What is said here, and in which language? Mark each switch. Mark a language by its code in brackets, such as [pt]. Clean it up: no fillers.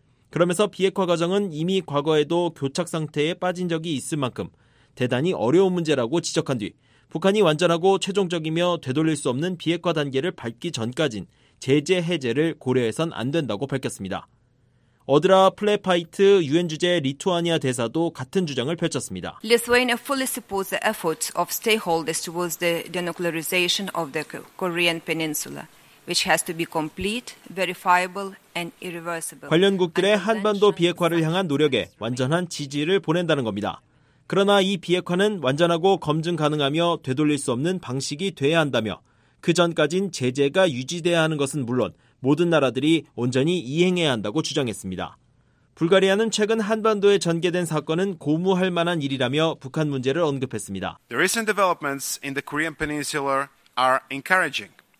[ko] 그러면서 비핵화 과정은 이미 과거에도 교착상태에 빠진 적이 있을 만큼 대단히 어려운 문제라고 지적한 뒤 북한이 완전하고 최종적이며 되돌릴 수 없는 비핵화 단계를 밟기 전까진 제재 해제를 고려해선 안 된다고 밝혔습니다. 어드라 플레파이트 유엔 주재 리투아니아 대사도 같은 주장을 펼쳤습니다. [en] Lithuania fully supports the efforts of stakeholders towards the denuclearization of the Korean Peninsula, which has to be complete, verifiable and irreversible. [ko] 관련국들의 한반도 비핵화를 향한 노력에 완전한 지지를 보낸다는 겁니다. 그러나 이 비핵화는 완전하고 검증 가능하며 되돌릴 수 없는 방식이 돼야 한다며 그 전까진 제재가 유지돼야 하는 것은 물론 모든 나라들이 온전히 이행해야 한다고 주장했습니다. 불가리아는 최근 한반도에 전개된 사건은 고무할 만한 일이라며 북한 문제를 언급했습니다. [en] The recent developments in the Korean Peninsula are encouraging.